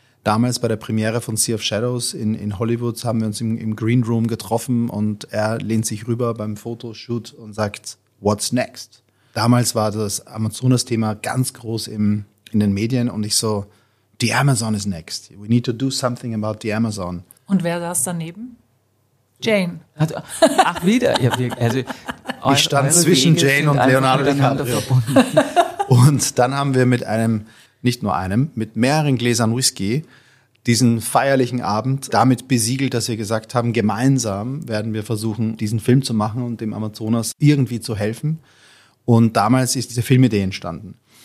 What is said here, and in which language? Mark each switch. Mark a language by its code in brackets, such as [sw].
[de] Damals bei der Premiere von Sea of Shadows in Hollywood haben wir uns im Green Room getroffen und er lehnt sich rüber beim Fotoshoot und sagt, [en] what's next? [de] Damals war das Amazonas-Thema ganz groß in den Medien und ich so, [en] the Amazon is next. We need to do something about the Amazon. [de] Und wer saß daneben? Jane. Ach, wieder? Ich stand zwischen Wege Jane und Leonardo DiCaprio. Und dann haben wir mit einem, nicht nur einem, mit mehreren Gläsern Whisky diesen feierlichen Abend damit besiegelt, dass wir gesagt haben, gemeinsam werden wir versuchen, diesen Film zu machen und dem Amazonas irgendwie zu helfen. Und damals ist diese Filmidee entstanden.